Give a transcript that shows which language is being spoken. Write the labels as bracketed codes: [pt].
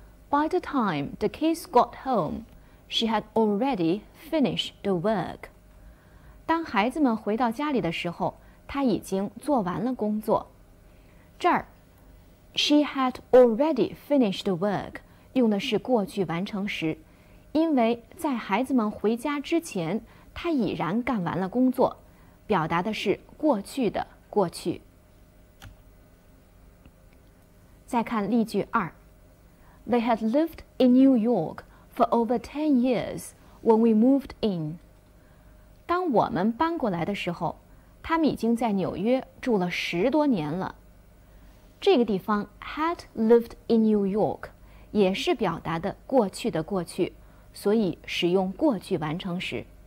[en] By the time the kids got home, she had already finished the work. [zh] 当孩子们回到家里的时候，她已经做完了工作。这儿 [en] ，she had already finished the work [zh] 用的是过去完成时，因为在孩子们回家之前，她已然干完了工作，表达的是过去的过去。再看例句二。 [en] They had lived in New York for over 10 years when we moved in. [zh] 当我们搬过来的时候，他们已经在纽约住了十多年了。这个地方 [en] had lived in New York [zh] 也是表达的过去的过去，所以使用过去完成时。